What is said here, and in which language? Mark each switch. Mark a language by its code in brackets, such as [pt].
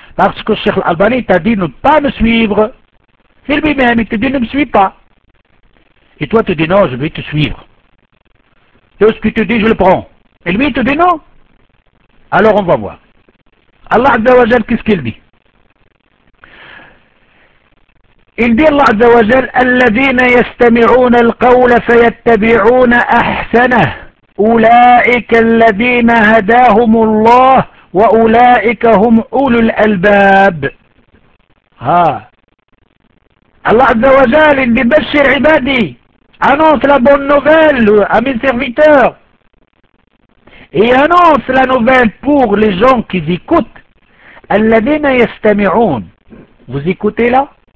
[fr] Parce que Cheikh l'Albani t'a dit ne pas me suivre. C'est lui-même, il te dit ne me suis pas. Et toi tu dis non, je vais te suivre. Tout ce qu'il te dit, je le prends. Et lui, il te dit non. Alors, on va voir. Allah Azza wa Jal, qu'est-ce qu'il dit? Il dit [ar] Allah Azza wa Jal, الذين يستمعون القول فيتبعون أحسنه أولئك الذين هداهم الله وأولئك هم أولو الألباب. [fr] Allah Azza wa Jal, il dit [ar] بشر عبادي. [fr] Annonce la bonne nouvelle à mes serviteurs. Et annonce la nouvelle pour les gens qui écoutent. [ar] Alladina yastami'oun. [fr] Vous écoutez là?